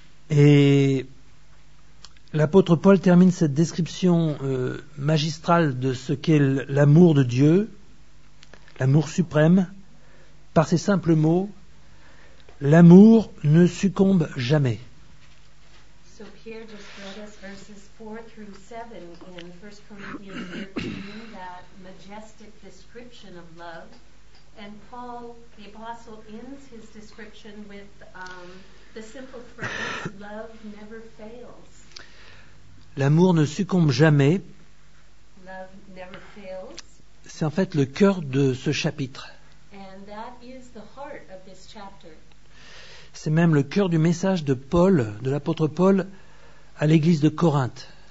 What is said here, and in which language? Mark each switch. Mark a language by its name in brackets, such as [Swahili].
[French] Et l'apôtre Paul termine cette description magistrale de ce qu'est l'amour de Dieu, l'amour suprême, par ces simples mots. L'amour ne succombe jamais. [English] So Pierre just read us verses 4 through 7 in 1 Corinthians 13, that majestic description of love. And Paul, the apostle, ends his description with the simple phrase, love never fails. [French] L'amour ne succombe jamais. [English] Love never fails. [French] C'est en fait le cœur de ce chapitre. [English] And that is the heart of this chapter. [French] C'est même le cœur du message de Paul, de l'apôtre Paul, à l'église de Corinthe.